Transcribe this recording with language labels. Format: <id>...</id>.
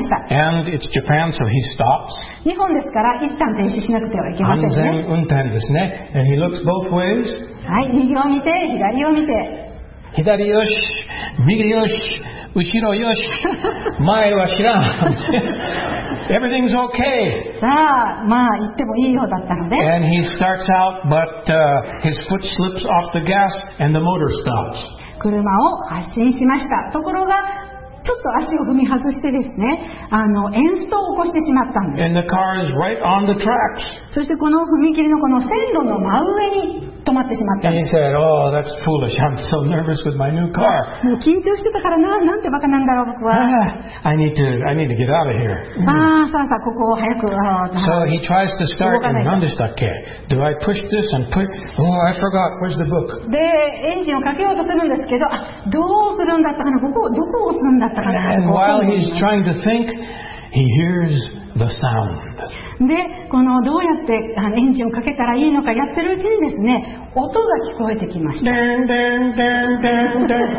<en>And it's Japan, so he stops.</en> <ja>日本ですから一旦停止しなくてはいけませんね。安全運転ですね。</ja> <en>And he looks both ways.</en> <ja>はい、右を見て、左を見て。左よし、右よし、後ろよし、前は知らん。</ja> <en>Everything's okay.</en> <ja>さあ、まあ行ってもいいようだったので。</ja> <en>And he starts out, but his foot slips off the gas and the motor stops.</en> <ja>車を発進しました。ところが、ちょっと足を踏み外してですね、あの、演奏を起こしてしまったんです。</ja> <en>And the car is right on the tracks.</en> <ja>そしてこの踏切のこの線路の真上に、止まってしまった。</ja> <en>And he said, oh, that's foolish. I'm so nervous with my new car.</en> <ja>もう緊張してたからな。なんてバカなんだろう、僕は。</ja> <en>I need to get out of here.</en> <ja>ああ、さあさあ、ここを早く。</ja> <en>So he tries to start, and</en> <ja>何でしたっけ?</ja> <en>Do I push this and push? Oh, I forgot. Where's the book?</en> <ja>で、エンジンをかけようとするんですけど、あ、どうするんだったかな?ここ、どこを押すんだったかな?</ja> <en>And while he's trying to think, he hears the sound.</en> <ja>で、このどうやってエンジンをかけたらいいのかやってるうちにですね、音が聞こえてきました。でんでんでんでんでん。</ja>